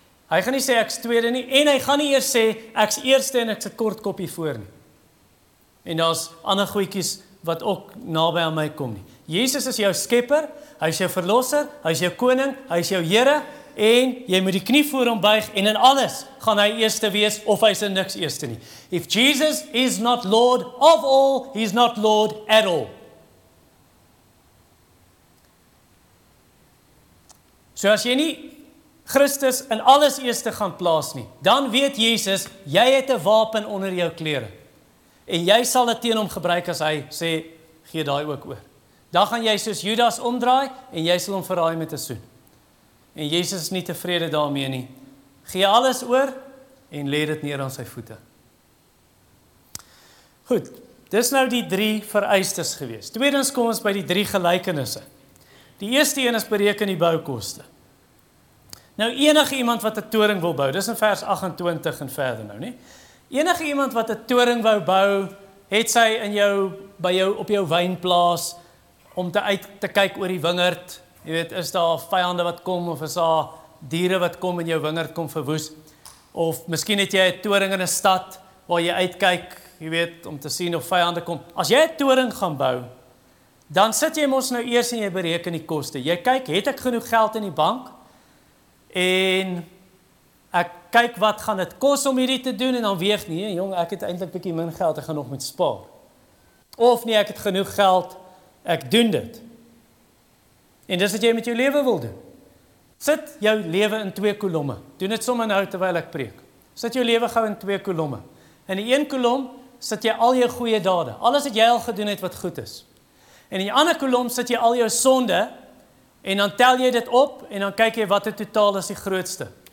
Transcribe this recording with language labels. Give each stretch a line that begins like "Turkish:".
Afrikaans: Hy gaan nie sê ek is tweede nie, en hy gaan nie eers sê ek is eerste en ek is 'n kort koppie voor nie. En daar's ander goetjies wat ook naby aan my kom nie. Jesus is jou skepper, hy is jou verlosser, hy is jou koning, hy is jou Here, en jy moet die knie voor hom buig, en in alles gaan hy eerste wees, of hy is in niks eerste nie.
English: If Jesus is not Lord of all, he is not Lord at all.
Afrikaans: So as jy nie Christus in alles eerste gaan plaas nie, dan weet Jesus, jy het 'n wapen onder jou klere, en jy sal dit teen hom gebruik as hy sê, gee daai ook oor. Dan gaan jy soos Judas omdraai, en jy sal hom verraai met 'n soen. En Jesus is nie tevrede daarmee nie. Gee alles oor, en lê dit neer aan sy voete. Goed, dis nou die drie vereistes gewees. Tweedens kom ons by die drie gelykenisse. Die eerste een is bereken die boukoste. Nou, enige iemand wat 'n toring wil bou, dis in vers 28 en verder nou nie, enige iemand wat 'n toring wou bou, het sy in jou, by jou, op jou wynplaas, om te kyk oor die wingerd, jy weet, is daar vijande wat kom, of is daar diere wat kom in jou wingerd kom verwoes, of miskien het jy 'n toring in 'n stad, waar jy uitkyk, jy weet, om te sien of vijande kom. As jy 'n toring gaan bou, dan sit jy mos nou eers en jy bereken die koste. Jy kyk, het ek genoeg geld in die bank, en ek kyk wat gaan dit kos om hierdie te doen, en dan weeg nie, jong, ek het eintlik bietjie min geld, ek gaan nog moet spaar. Of nie, ek het genoeg geld, ek doen dit. En dis wat jy met jou lewe wil doen. Sit jou lewe in twee kolomme. Doen dit sommer nou terwyl ek preek. Sit jou lewe gou in twee kolomme. In die een kolom sit jy al jou goeie dade, alles wat jy al gedoen het wat goed is. En in die ander kolom sit jy al jou sonde, en dan tel jy dit op, en dan kyk jy wat die totaal is die grootste.